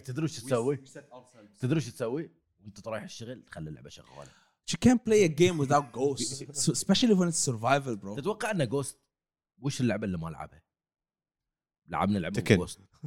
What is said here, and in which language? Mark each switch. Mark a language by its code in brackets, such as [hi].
[ar] تدري وش تسوي؟ تدري وش تسوي؟ وأنت طرايح الشغل تخلي اللعبة شغالة. [en] She can't play a game without Ghost, especially when it's survival, bro. [ar] تتوقع أن Ghost وش اللعبة اللي ما لعبها؟ لعبنا لعبة Ghost.